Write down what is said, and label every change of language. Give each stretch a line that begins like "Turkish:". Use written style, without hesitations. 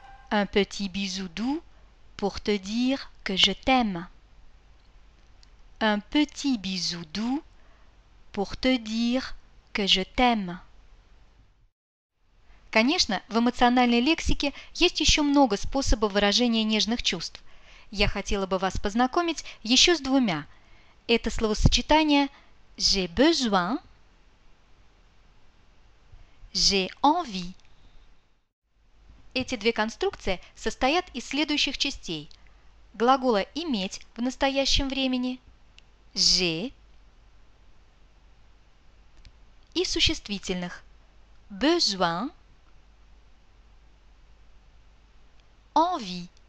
French: Un petit bisou doux pour te dire que je t'aime. Un petit bisou doux pour te dire que je t'aime.
Russian: Конечно, в эмоциональной лексике есть еще много способов выражения нежных чувств. Я хотела бы вас познакомить еще с двумя. Это словосочетание
French: «j'ai besoin», «j'ai envie».
Russian: Эти две конструкции состоят из следующих частей. Глагола «иметь» в настоящем времени «j'ai» и существительных «besoin», «envie».